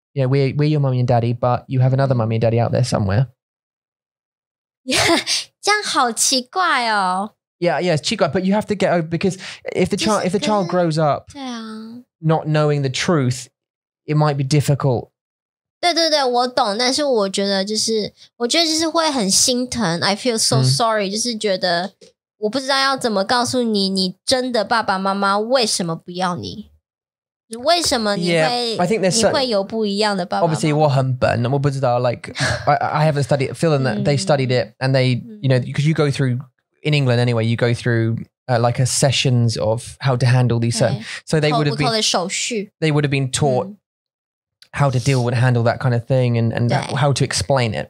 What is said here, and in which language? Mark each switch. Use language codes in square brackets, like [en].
[en] Yeah, we're your mummy and daddy, but you have another mummy and daddy out there somewhere. [zh] Yeah, 这样好奇怪哦。 [en] Yeah, yeah, it's 奇怪, but you have to get over because if the child grows up not knowing the truth, it might be difficult. [zh] 对对对，我懂，但是我觉得就是会很心疼。 [en] I feel so sorry, [zh] 就是觉得。我不知道要怎么告诉你，你真的爸爸妈妈为什么不要你？为什么你会 [en] yeah, I think there's [zh] 你会有不一样的爸爸妈妈 [en] ？Obviously, [zh] 我很笨，我不知道。 [en] Like, I haven't studied. Feel that they studied it, and they, you know, because you go through in England anyway. You go through like a sessions of how to handle these certain. So they would have been [zh] 口不口的手续 [en] They would have been taught how to deal with handle that kind of thing, and how to explain it.